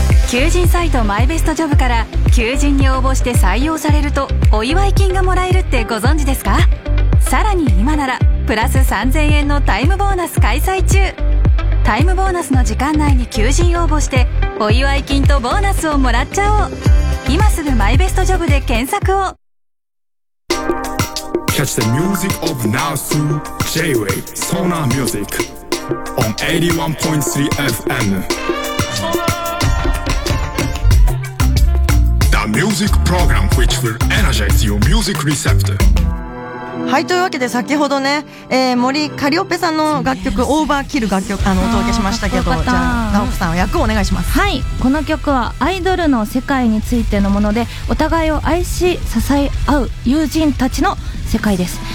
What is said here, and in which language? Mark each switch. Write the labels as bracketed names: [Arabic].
[Japanese] 求人サイトマイベストジョブから求人に応募して採用されるとお祝い金がもらえるってご存知ですか？さらに今ならプラス3000円のタイムボーナス開催中。タイムボーナスの時間内に求人応募してお祝い金とボーナスをもらっちゃおう。今すぐマイベストジョブで検索を。 [English] Catch the music of now through J-Wave Sonar Music on 81.3 FM The music program which will energize your music receptor。 [Japanese] はい、というわけで先ほどね、森カリオペさんの楽曲オーバーキル楽曲あのお届けしましたけど、じゃあ直子さん役をお願いします。はい、この曲はアイドルの世界についてのもので、お互いを愛し支え合う友人たちの世界です。